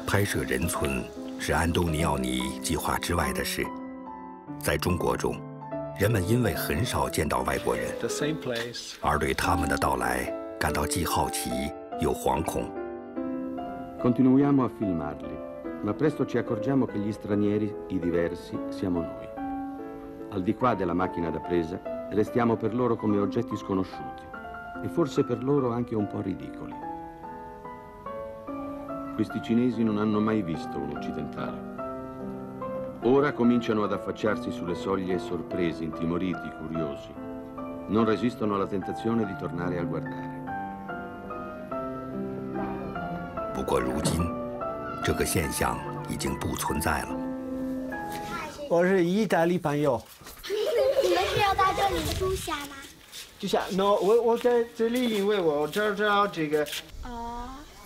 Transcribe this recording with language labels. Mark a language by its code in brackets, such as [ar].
[zh] 拍摄人村是安东尼奥尼计划之外的事，在中国中。人们因为很少见到外国人，而对他们的到来感到既好奇又惶恐。 [it] Continuiamo a filmarli, ma presto ci accorgiamo che gli stranieri, i diversi, siamo noi. Al di qua della macchina da presa, restiamo per loro come oggetti sconosciuti e forse per loro anche un po' ridicoli. Questi cinesi non hanno mai visto un occidentale. Ora cominciano ad affacciarsi sulle soglie sorpresi, intimoriti, curiosi. Non resistono alla tentazione di tornare a guardare. [zh] 不过如今，这个现象已经不存在了。我是意大利朋友。你们是要到这里住下吗？住下 ？No， 我在这里，因为我这儿知道这个。啊。